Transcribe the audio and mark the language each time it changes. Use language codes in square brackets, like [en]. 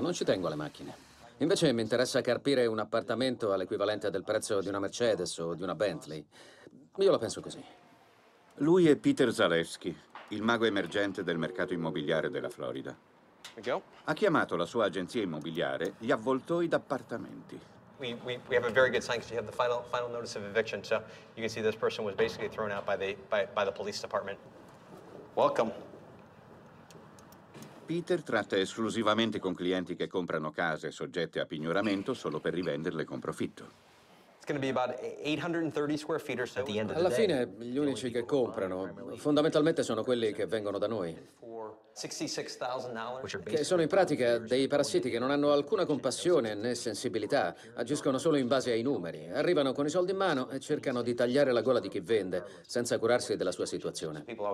[it] Non ci tengo alle macchine. Invece mi interessa carpire un appartamento all'equivalente del prezzo di una Mercedes o di una Bentley. Io la penso così. Lui è Peter Zalewski, il mago emergente del mercato immobiliare della Florida. Ha chiamato la sua agenzia immobiliare gli avvoltoi d'appartamenti. [en] We have a very good sign because you have the final notice of eviction, so you can see this person was basically thrown out by the police department. Welcome. [it] Peter tratta esclusivamente con clienti che comprano case soggette a pignoramento solo per rivenderle con profitto. [en] It's going to be about 830 square feet or so. [it] Alla fine, gli unici che comprano fondamentalmente sono quelli che vengono da noi. Che sono in pratica dei parassiti che non hanno alcuna compassione né sensibilità, agiscono solo in base ai numeri, arrivano con i soldi in mano e cercano di tagliare la gola di chi vende, senza curarsi della sua situazione.